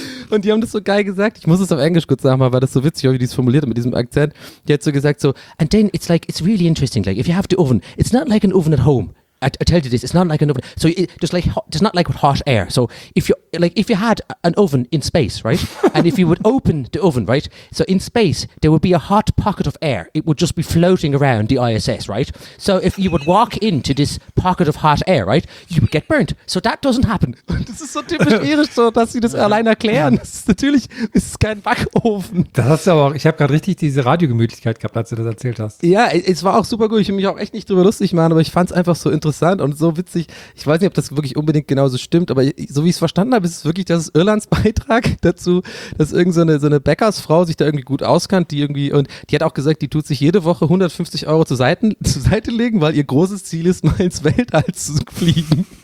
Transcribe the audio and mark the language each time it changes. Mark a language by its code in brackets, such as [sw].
[de] Und die haben das so geil gesagt. Ich muss es auf Englisch kurz sagen, weil das so witzig, wie die es formuliert hat mit diesem Akzent. Die hat so gesagt so, [en] and then it's like, it's really interesting. Like, if you have the oven, it's not like an oven at home. I tell you this, it's not like an oven. So it's not like with hot air. So if you had an oven in space, right? And if you would open the oven, right? So in space, there would be a hot pocket of air. It would just be floating around the ISS, right? So if you would walk into this pocket of hot air, right? You would get burnt. So that doesn't happen. [de] Das ist so typisch irisch, so, dass sie das allein erklären. Das ist natürlich, ist kein Backofen. Das hast du aber auch, ich habe gerade richtig diese Radiogemütlichkeit gehabt, als du das erzählt hast. Ja, es war auch super gut. Ich will mich auch echt nicht drüber lustig machen, aber ich fand es einfach so interessant und so witzig. Ich weiß nicht, ob das wirklich unbedingt genauso stimmt, aber so wie ich es verstanden habe, ist es wirklich, dass Irlands Beitrag dazu, dass irgendeine so eine Bäckersfrau sich da irgendwie gut auskannt, die irgendwie, und die hat auch gesagt, die tut sich jede Woche 150 Euro zur Seite legen, weil ihr großes Ziel ist, mal ins Weltall zu fliegen.